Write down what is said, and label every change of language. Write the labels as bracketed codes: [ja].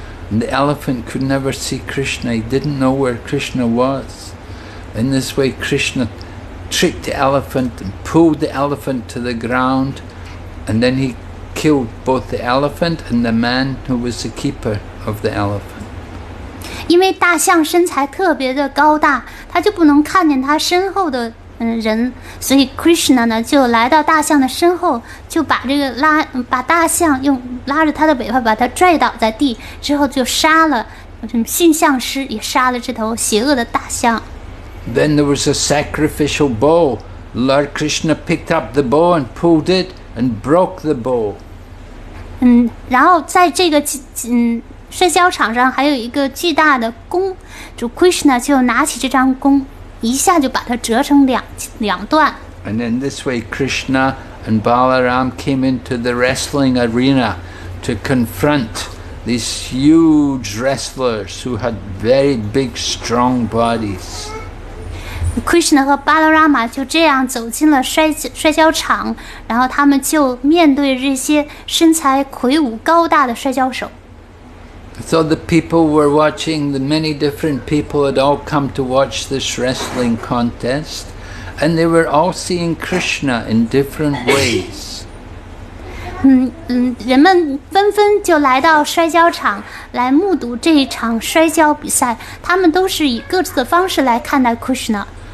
[en] And the elephant could never see Krishna. He didn't know where Krishna was. In this way, Krishna tricked the elephant and pulled the elephant to the ground. And then he killed both the elephant and the man who was the keeper of the elephant. [zh] 因为大象身材特别的高大，他就不能看见他身后的人，所以 Krishna 呢就来到大象的身后，就把这个把大象用拉着他的尾巴把他拽倒在地，之后就杀了驯象师，也杀了这头邪恶的大象。 [en] Then there was a sacrificial bow. Lord Krishna picked up the bow and pulled it and broke the bow. [zh] 然后在这个摔跤场上还有一个巨大的弓，主 Krishna 就拿起这张弓，一下就把它折成两段。 [en] And in this way, Krishna and Balaram came into the wrestling arena to confront these huge wrestlers who had very big, strong bodies. [zh] Krishna 和 Balarama 就这样走进了摔跤场，然后他们就面对这些身材魁梧高大的摔跤手。 [en] So the people were watching, the many different people had all come to watch this wrestling contest, and they were all seeing Krishna in different ways. [zh] 人们纷纷就来到摔跤场来目睹这一场摔跤比赛，他们都是以各自的方式来看待 Krishna.